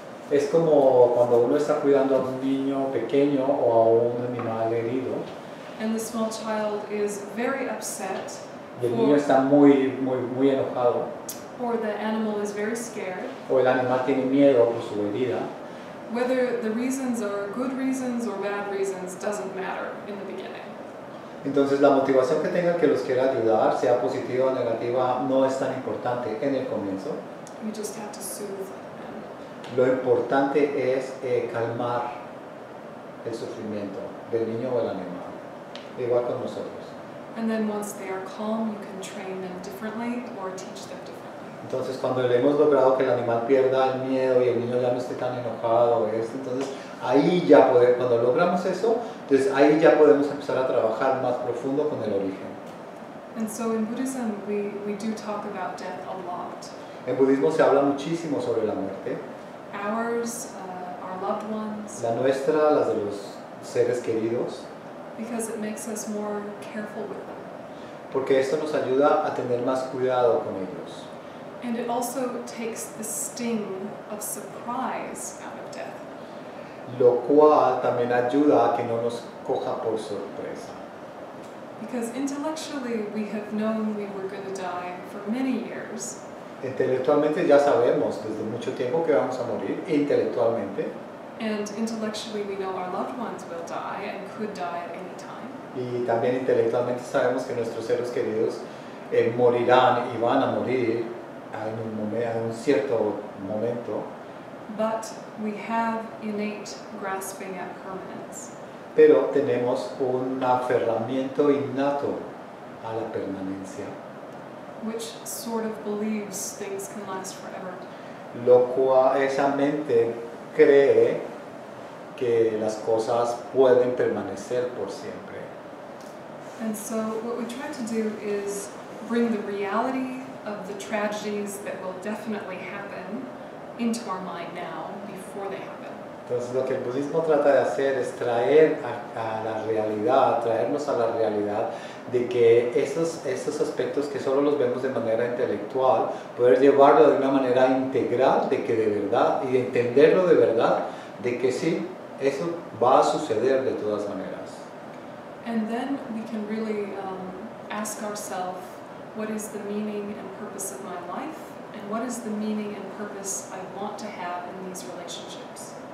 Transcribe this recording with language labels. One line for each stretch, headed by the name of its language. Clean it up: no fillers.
Spanish: Es como cuando uno está cuidando a un niño pequeño o a un animal herido.
English: And the small child is very upset.
Spanish: Y el niño está muy, muy, muy enojado.
English: Or the animal is very scared.
Spanish: O el animal tiene miedo por su herida.
English: Whether the reasons are good reasons or bad reasons doesn't matter in the beginning.
Spanish: Entonces la motivación que tenga que los quiera ayudar, sea positiva o negativa, no es tan importante en el comienzo.
English: You just have to soothe them.
Spanish: Lo importante es calmar el sufrimiento del niño o el animal, igual con nosotros.
English: And then once they are calm, you can train them differently or teach them differently.
Spanish: Entonces cuando le hemos logrado que el animal pierda el miedo y el niño ya no esté tan enojado, entonces ahí ya podemos empezar a trabajar más profundo con el origen.
English: And so in Buddhism we do talk about death a lot.
Spanish: En budismo se habla muchísimo sobre la muerte.
English: Ours, our loved ones.
Spanish: La nuestra, las de los seres queridos.
English: Because it makes us more careful with them.
Spanish: Porque esto nos ayuda a tener más cuidado con ellos.
English: And it also takes the sting of surprise out of death.
Spanish: Lo cual también ayuda a que no nos coja por sorpresa.
English: Because intellectually we have known we were going to die for many years.
Spanish: Intelectualmente ya sabemos desde mucho tiempo que vamos a morir, intelectualmente.
English: And intellectually we know our loved ones will die and could die at any time.
Spanish: Y también intelectualmente sabemos que nuestros seres queridos morirán y van a morir en un cierto momento.
English: But we have innate grasping at permanence.
Spanish: Pero tenemos un aferramiento innato a la permanencia.
English: Which sort of believes things can last forever.
Spanish: Lo cual esa mente cree que las cosas pueden permanecer por siempre.
English: And so what we try to do is bring the reality of the tragedies that will definitely happen into our mind now before they happen.
Spanish: Entonces lo que el budismo trata de hacer es traernos a la realidad de que esos aspectos que solo los vemos de manera intelectual, poder llevarlo de una manera integral, de que de verdad, y de entenderlo de verdad, de que sí, eso va a suceder de todas maneras.
English: And then we can really ask ourselves, what is the meaning and purpose of my life, and what is the meaning and purpose I want to have in these relationships?